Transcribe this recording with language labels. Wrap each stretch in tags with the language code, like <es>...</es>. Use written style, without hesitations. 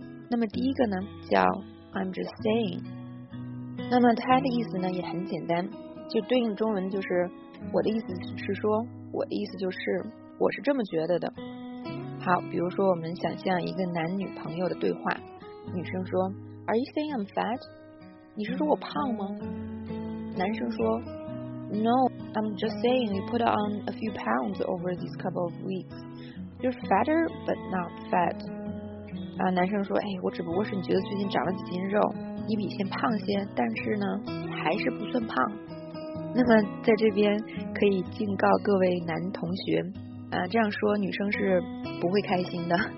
<zh>那么第一个呢，叫</zh> <en>I'm just saying。</en> <zh>那么它的意思呢也很简单，就对应中文就是我的意思是说，我的意思就是我是这么觉得的。好，比如说我们想象一个男女朋友的对话，女生说</zh> <en>Are you saying I'm fat？</en> <zh>你是说我胖吗？男生说</zh> <en>No, I'm just saying you put on a few pounds over these couple of weeks. You're fatter but not fat.</en> <zh>男生说哎，我只不过是你觉得最近长了几斤肉，你比以前胖些，但是呢还是不算胖。那么在这边可以警告各位男同学这样说女生是不会开心的。</zh>